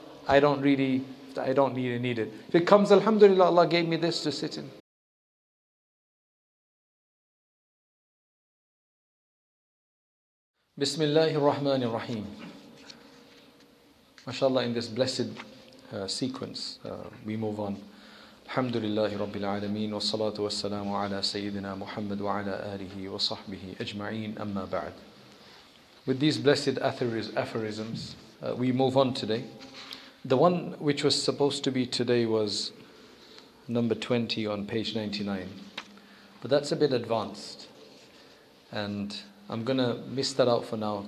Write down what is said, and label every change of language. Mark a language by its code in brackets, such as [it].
[en] I don't really need it. If it comes, alhamdulillah, Allah gave me this to sit in. [ar] Bismillahir Rahmanir Rahim. [en] Mashallah, in this blessed sequence, we move on. [ar] الحمد لله رب العالمين والصلاة والسلام على سيدنا محمد وعلى آله وصحبه أجمعين أما بعد. [en] With these blessed aphorisms, we move on today. The one which was supposed to be today was number 20 on page 99, but that's a bit advanced, and I'm gonna miss that out for now.